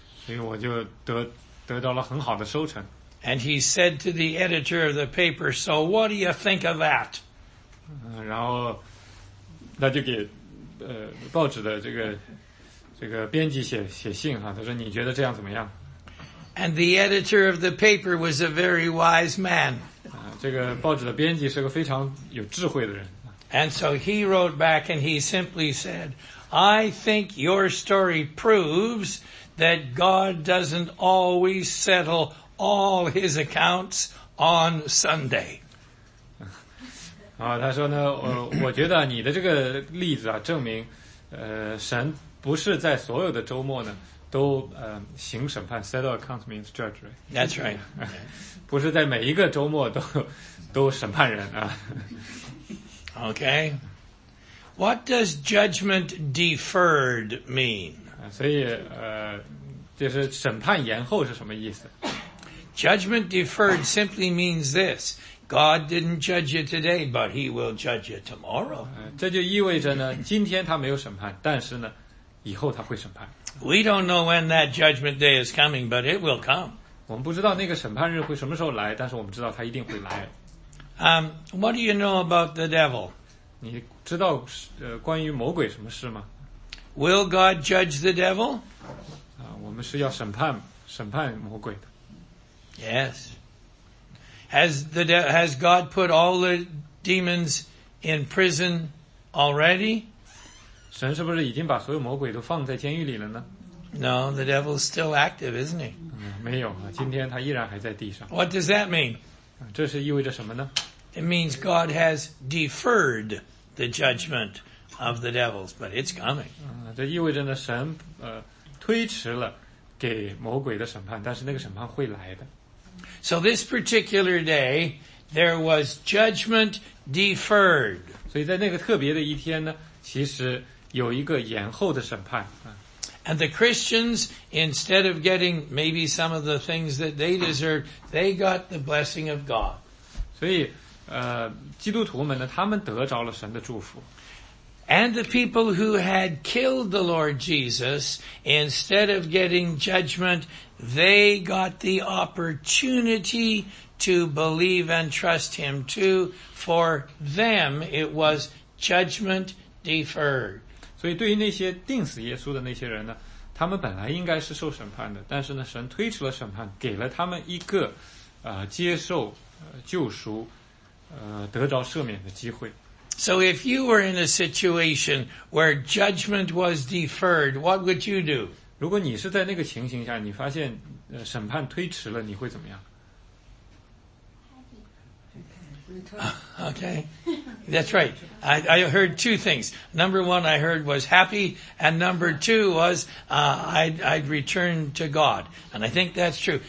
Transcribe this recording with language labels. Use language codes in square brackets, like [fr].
[zh] 所以我就得到了很好的收成。 [en] And he said to the editor of the paper, so what do you think of that? [zh] 然后他就给报纸的这个编辑写信哈，他说你觉得这样怎么样？ [en] And the editor of the paper was a very wise man. [zh] 这个报纸的编辑是个非常有智慧的人。 [en] And so he wrote back and he simply said, I think your story proves that God doesn't always settle all his accounts on Sunday. [zh] 他说呢我觉得你的这个例子啊证明神不是在所有的周末呢都行审判 [en] settle accounts means judgment. That's right. [zh] 不是在每一个周末都审判人啊。 [en] Okay. What does judgment deferred mean? [zh] 所以就是审判延后是什么意思？ [en] Judgment deferred simply means this. God didn't judge you today, but he will judge you tomorrow. [zh] 这就意味着呢，今天他没有审判，但是呢，以后他会审判。 [en] We don't know when that judgment day is coming, but it will come. [zh] 我们不知道那个审判日会什么时候来，但是我们知道他一定会来。 [en] What do you know about the devil? [zh] 你知道关于魔鬼什么事吗？ [en] Will God judge the devil? [zh] 我们是要审判魔鬼的。 [en] Yes. Has God put all the demons in prison already? [zh] 神是不是已经把所有魔鬼都放在监狱里了呢？ [en] No, the devil's still active, isn't he? [zh] 没有，今天他依然还在地上。 [en] What does that mean? [zh] 这是意味着什么呢？ [en] It means God has deferred the judgment of the devils, but it's coming. [zh] 这意味着呢，神推迟了给魔鬼的审判，但是那个审判会来的。 [en] So this particular day, there was judgment deferred. [zh] 所以在那个特别的一天呢，其实有一个延后的审判。 [en] And the Christians, instead of getting maybe some of the things that they deserved, they got the blessing of God. [zh] 所以基督徒们呢，他们得着了神的祝福。 [en] And the people who had killed the Lord Jesus, instead of getting judgment, they got the opportunity to believe and trust him too. For them, it was judgment deferred. [zh] 所以对于那些钉死耶稣的那些人呢，他们本来应该是受审判的，但是呢，神推迟了审判，给了他们一个接受救赎得着赦免的机会。 [en] So if you were in a situation where judgment was deferred, what would you do? [zh] 如果你是在那个情形下，你发现审判推迟了，你会怎么样？ [en] Okay, that's right. I heard two things. Number one I heard was happy, and number two was I'd return to God. And I think that's true.